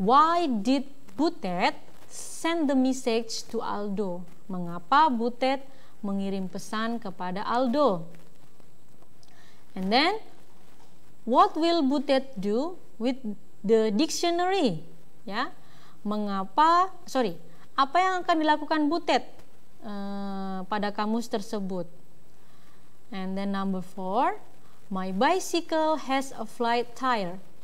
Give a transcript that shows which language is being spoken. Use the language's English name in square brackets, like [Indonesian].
[English] Why did Butet send the message to Aldo? [Indonesian] Mengapa Butet mengirim pesan kepada Aldo? [English] And then, what will Butet do with the dictionary? [Indonesian] Ya, mengapa? Sorry, apa yang akan dilakukan Butet pada kamus tersebut? [English] And then number 4, my bicycle has a flat tire.